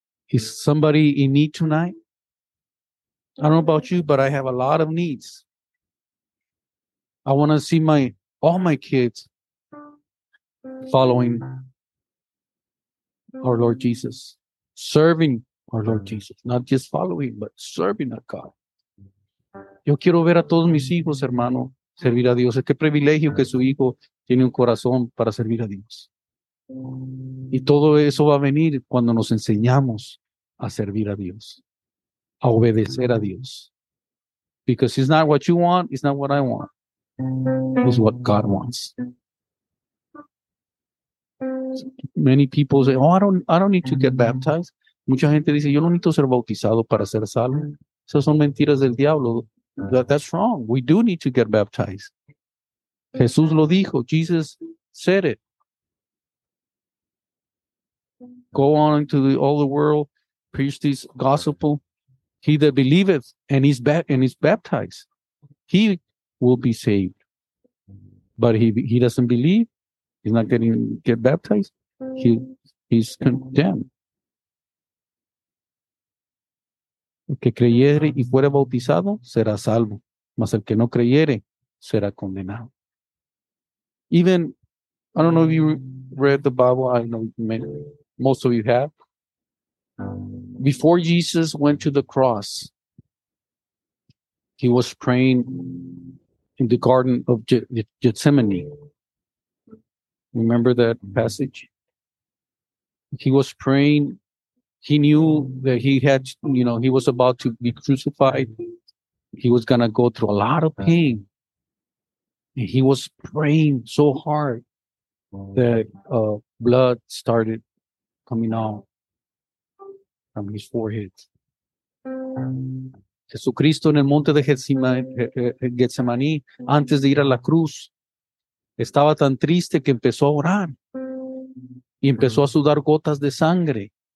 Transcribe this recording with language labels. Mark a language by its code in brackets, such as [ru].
[en] Is somebody in need tonight? I don't know about you, but I have a lot of needs. I want to see all my kids following our Lord Jesus, serving our Lord Jesus, not just following, but serving our God. [es] Yo quiero ver a todos mis hijos, hermano, servir a Dios. Qué privilegio que su hijo tiene un corazón para servir a Dios. Y todo eso va a venir cuando nos enseñamos a servir a Dios, a obedecer a Dios. [en] Because it's not what you want, it's not what I want. It's what God wants. Many people say, oh, I don't need to get baptized. [es] Mucha gente dice, yo no necesito ser bautizado para ser salvo. Esas son mentiras del diablo. [en] That's wrong. We do need to get baptized. [es] Jesús lo dijo. [en] Jesus said it. Go on into all the world, preach this gospel. He that believeth and is baptized, he will be saved. But if he doesn't believe, he's not getting get baptized, he's condemned. [es] El que creyere y fuere bautizado será salvo, mas el que no creyere será condenado. [en] Even, I don't know if you read the Bible, I know most of you have. Before Jesus went to the cross, he was praying in the Garden of Gethsemane. Remember that passage? He was praying. He knew that he had, he was about to be crucified. He was going to go through a lot of pain. And he was praying so hard that blood started coming out from his forehead. [es] Jesucristo en el monte de Getsemaní, antes de ir a la cruz, estaba tan triste que empezó a orar y empezó a sudar gotas de sangre.